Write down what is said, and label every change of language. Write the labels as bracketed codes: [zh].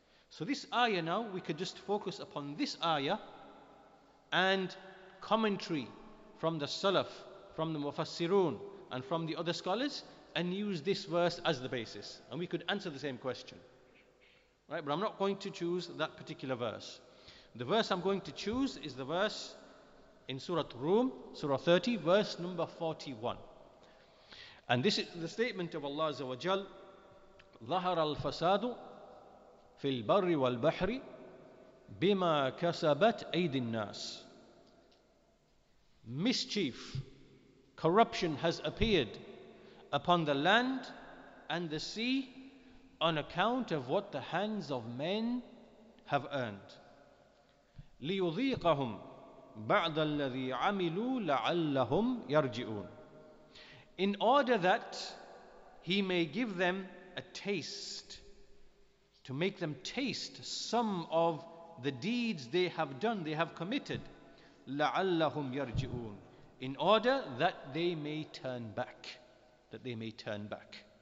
[en] So this ayah now, we could just focus upon this ayah and commentary from the Salaf, from the Mufassirun, and from the other scholars, and use this verse as the basis. And we could answer the same question. Right, but I'm not going to choose that particular verse. The verse I'm going to choose is the verse in Surah Rum, Surah 30, verse number 41. And this is the statement of Allah Azza wa Jal, [ar] ظهر الفساد في البر والبحر بما كسبت أيدي الناس. [en] Mischief, corruption has appeared upon the land and the sea on account of what the hands of men have earned. [ar] ليذيقهم بعض الذي عملوا لعلهم يرجعون. [en] In order that he may give them a taste, to make them taste some of the deeds they have done, they have committed. [ar] لعلهم يرجعون. [en] In order that they may turn back, that they may turn back.